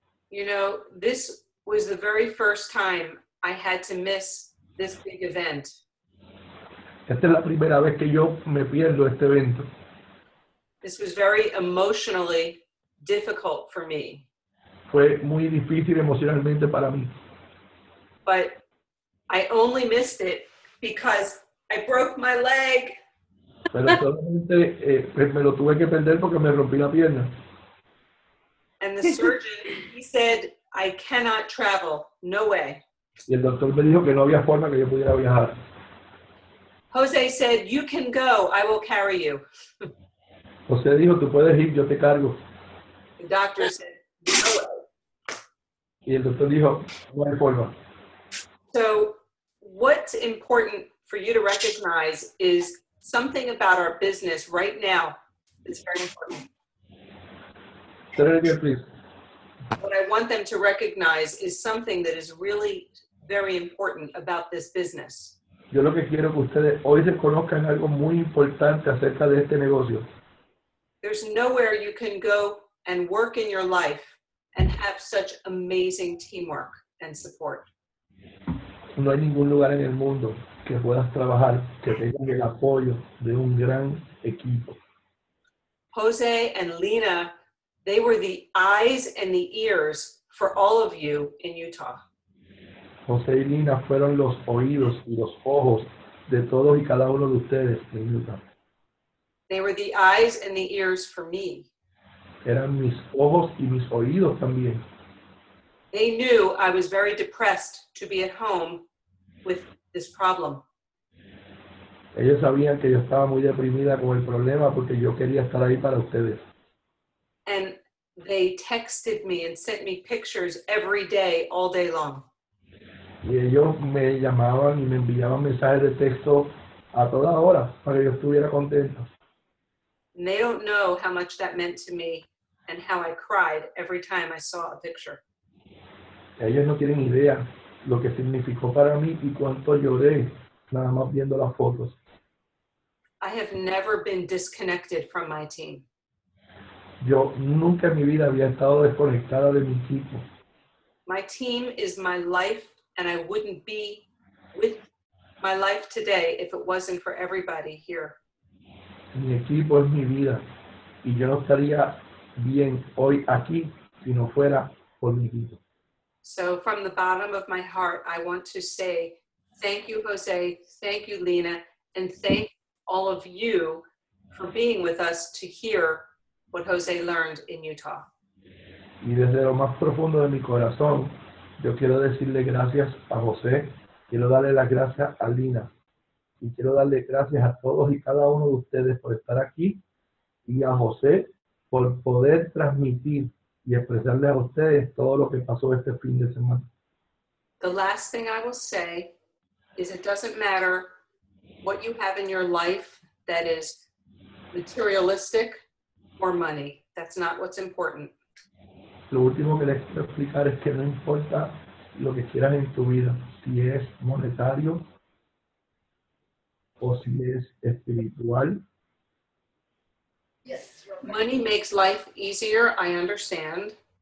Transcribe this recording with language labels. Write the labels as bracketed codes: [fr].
[en] You know, this was the very first time I had to miss this big event. [es] Esta es la primera vez que yo me pierdo este evento. [en] This was very emotionally difficult for me. [es] Fue muy difícil emocionalmente para mí. [en] But I only missed it because I broke my leg. [es] Pero solamente me lo tuve que perder porque me rompí la pierna. [en] And the surgeon, he said, I cannot travel. No way. [es] Y el doctor me dijo que no había forma que yo pudiera viajar. [en] Jose said, you can go. I will carry you. [es] Jose dijo, tú puedes ir, yo te cargo. [en] The doctor said, no way. [es] Y el doctor dijo, no hay forma. [en] So, what's important for you to recognize is something about our business right now that's very important. Say it again, please. What I want them to recognize is something that is really very important about this business. [es] Yo lo que quiero que ustedes hoy reconozcan algo muy importante acerca de este negocio. [en] There's nowhere you can go and work in your life and have such amazing teamwork and support. [es] No hay ningún lugar en el mundo que puedas trabajar que tenga el apoyo de un gran equipo. [en] Jose and Lena, they were the eyes and the ears for all of you in Utah. [es] Jose y Lena fueron los oídos y los ojos de todos y cada uno de ustedes en Utah. [en] They were the eyes and the ears for me. [es] Eran mis ojos y mis oídos también. [en] They knew I was very depressed to be at home with this problem. [es] Ellos sabían que yo estaba muy deprimida con el problema porque yo quería estar ahí para ustedes. [en] And they texted me and sent me pictures every day, all day long. [es] Y ellos me llamaban y me enviaban mensajes de texto a toda hora para que yo estuviera contento. [en] And they don't know how much that meant to me and how I cried every time I saw a picture. [es] Ellos no tienen idea lo que significó para mí y cuánto lloré nada más viendo las fotos. [en] I have never been disconnected from my team. [es] Yo nunca en mi vida había estado desconectada de mi equipo. [en] My team is my life, and I wouldn't be with my life today if it wasn't for everybody here. [es] Mi equipo es mi vida, y yo no estaría bien hoy aquí si no fuera por mi equipo. [en] So from the bottom of my heart, I want to say thank you, Jose, thank you, Lena, and thank all of you for being with us to hear what Jose learned in Utah. [es] Y desde lo más profundo de mi corazón, yo quiero decirle gracias a José, quiero darle las gracias a Lena, y quiero darle gracias a todos y cada uno de ustedes por estar aquí, y a José por poder transmitir y expresarle a ustedes todo lo que pasó este fin de semana. [en] The last thing I will say is it doesn't matter what you have in your life that is materialistic or money. That's not what's important. [es] Lo último que les quiero explicar es que no importa lo que quieran en tu vida, si es monetario o si es espiritual. [en] Money makes life easier, I understand.